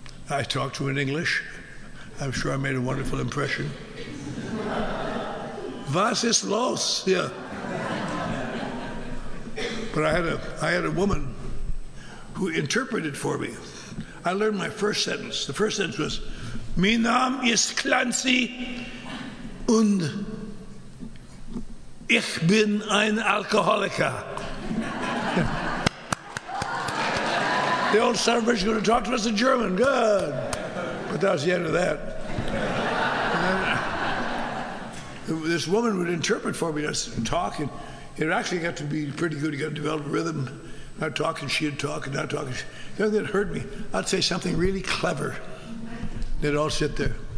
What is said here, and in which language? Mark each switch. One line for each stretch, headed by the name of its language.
English: I talked to them in English. I'm sure I made a wonderful impression.
German: Was ist los? Yeah.
English: But I had a woman who interpreted for me. I learned my first sentence. The first sentence was,
German: Mein Name ist Clancy und ich bin ein Alkoholiker.
English: The old son of a bitch is going to talk to us in German. Good. But that was the end of that. This woman would interpret for me just talking. It actually got to be pretty good. You got to develop a rhythm. I'd talk and she'd talk and I'd talk. The other thing that hurt me, I'd say something really clever. They'd all sit there.